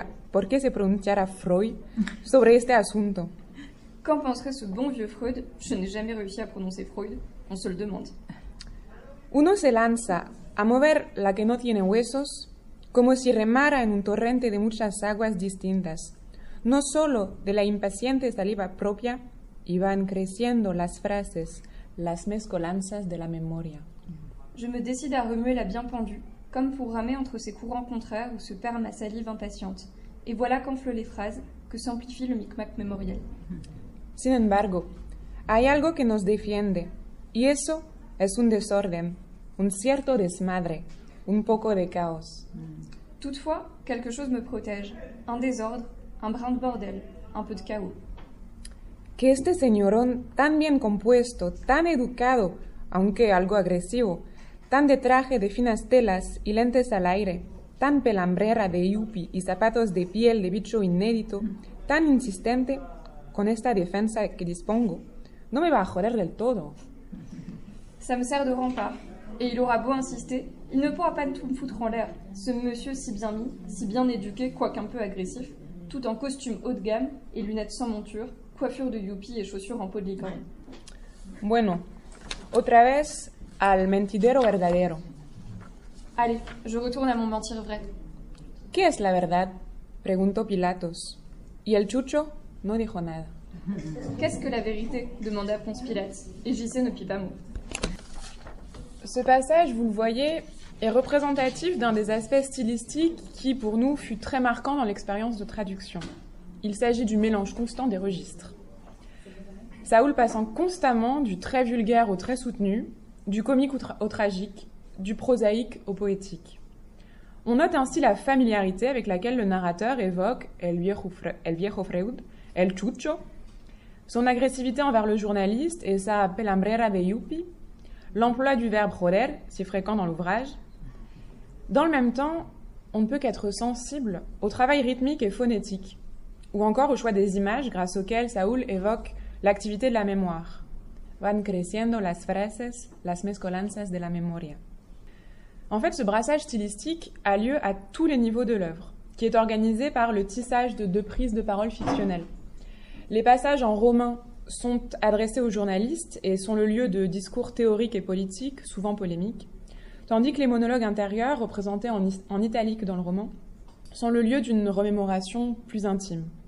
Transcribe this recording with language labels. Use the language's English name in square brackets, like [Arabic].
[Spanish] ¿Por qué se pronunciara Freud sobre este asunto? [French] Qu'en penserait ce bon vieux Freud? Je n'ai jamais réussi à prononcer Freud, on se le demande. [Spanish] Uno se lanza a mover la que no tiene huesos como si remara en un torrente de muchas aguas distintas. No solo de la impaciente saliva propia, iban creciendo las frases, las mezcolanzas de la memoria. [French] Je me décide à remuer la bien pendue, comme pour ramer entre ces courants contraires où se perd ma salive impatiente. Et voilà qu'enflent les phrases, que s'amplifie le micmac mémoriel. [Spanish] Sin embargo, hay algo que nos defiende, y eso es un desorden, un cierto desmadre, un poco de caos. [French] Toutefois, quelque chose me protège, un désordre, un brin de bordel, un peu de chaos. [Spanish] Que este señorón tan bien compuesto, tan educado, aunque algo agresivo, tan de traje de finas telas y lentes al aire, tan pelambrera de yupi y zapatos de piel de bicho inédito, tan insistente con esta defensa que dispongo, no me va a joder del todo. [French] Ça me sert de rempart, et il aura beau insister, il ne pourra pas tout me foutre en l'air, ce monsieur si bien mis, si bien éduqué, quoique un peu agressif, tout en costume haut de gamme et lunettes sans monture, coiffure de yuppie et chaussures en peau de licorne. [Spanish] Bueno, otra vez al mentidero verdadero. [French] Allez, je retourne à mon mentir vrai. [Spanish] ¿Qué es la verdad? Preguntó Pilatos. Y el chucho no dijo nada. [French] Qu'est-ce que la vérité? Demanda Ponce Pilate. Et J.C. ne pit pas mot. Ce passage, vous le voyez, est représentatif d'un des aspects stylistiques qui, pour nous, fut très marquant dans l'expérience de traduction. Il s'agit du mélange constant des registres. Saoul passant constamment du très vulgaire au très soutenu, du comique au tragique, du prosaïque au poétique. On note ainsi la familiarité avec laquelle le narrateur évoque [Spanish] el viejo Freud, el chucho, [French] son agressivité envers le journaliste et sa [Spanish] pelambrera de yupi, [French] l'emploi du verbe joder, si fréquent dans l'ouvrage. Dans le même temps, on ne peut qu'être sensible au travail rythmique et phonétique, ou encore au choix des images grâce auxquelles Saoul évoque l'activité de la mémoire. [Spanish] Van creciendo las frases, las mezcolanzas de la memoria. [French] En fait, ce brassage stylistique a lieu à tous les niveaux de l'œuvre, qui est organisé par le tissage de deux prises de parole fictionnelles. Les passages en romain sont adressés aux journalistes et sont le lieu de discours théoriques et politiques, souvent polémiques, tandis que les monologues intérieurs, représentés en italique dans le roman, sont le lieu d'une remémoration plus intime.